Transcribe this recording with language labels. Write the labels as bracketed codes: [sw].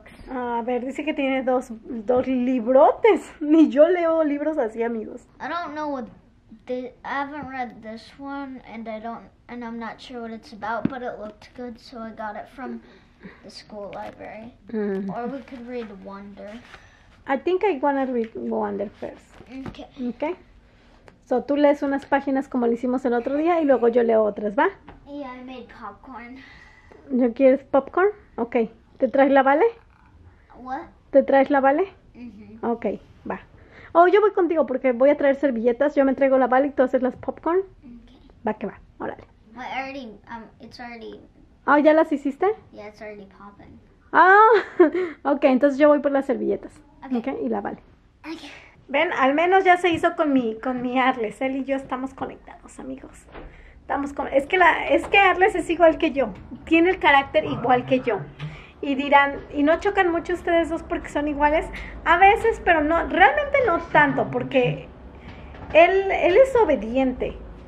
[es] A ver, dice que tiene dos librotes. Ni yo leo libros así, amigos. [en] I don't know what I haven't read this one and I'm not sure what it's about, but it looked good, so I got it from the school library. Or we could read Wonder. I think I wanna read Wonder first. Okay. Okay. [es] So, tú lees unas páginas como lo hicimos el otro día y luego yo leo otras, ¿va? [en] Yeah, I made popcorn. [es] ¿No quieres popcorn? Ok. ¿Te traes la Vale? [en] What? [es] ¿Te traes la Vale? Mm-hmm. Ok, va. Oh, yo voy contigo porque voy a traer servilletas. Yo me traigo la Vale y tú haces las popcorn. [en] Okay. [es] Va que va. Órale. [en] But already, it's already... [es] Oh, ¿ya las hiciste? [en] Yeah, it's already popping. Ah, oh, ok. [es] Entonces yo voy por las servilletas. Ok. Y la Vale. [en] Okay. [es] Ven, al menos ya se hizo con mi Arles. Él y yo estamos conectados, amigos. Es que Arles es igual que yo. Tiene el carácter igual que yo. Y dirán, ¿y no chocan mucho ustedes dos porque son iguales? A veces, pero no, realmente no tanto, porque él es obediente.